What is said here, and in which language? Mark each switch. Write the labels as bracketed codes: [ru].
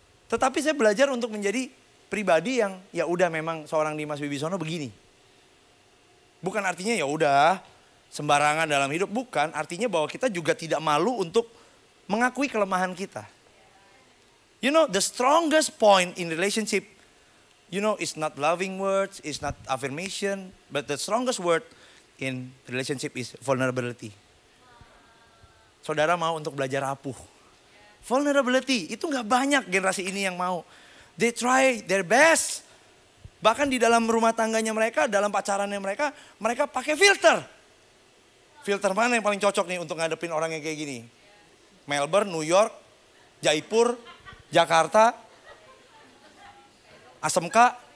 [id] Tetapi saya belajar untuk menjadi pribadi yang ya udah memang seorang Dimas Wibisono begini. Bukan artinya ya udah sembarangan dalam hidup. Bukan, artinya bahwa kita juga tidak malu untuk mengakui kelemahan kita. [en] You know, the strongest point in relationship, you know, it's not loving words, it's not affirmation, but the strongest word in relationship is vulnerability. [id] Saudara mau untuk belajar rapuh. Vulnerability, itu gak banyak generasi ini yang mau. [en] They try their best. [id] Bahkan di dalam rumah tangganya mereka, dalam pacarannya mereka, mereka pakai filter. Filter mana yang paling cocok nih untuk ngadepin orang yang kayak gini? Melbourne, New York, Jaipur, Jakarta, Asemka.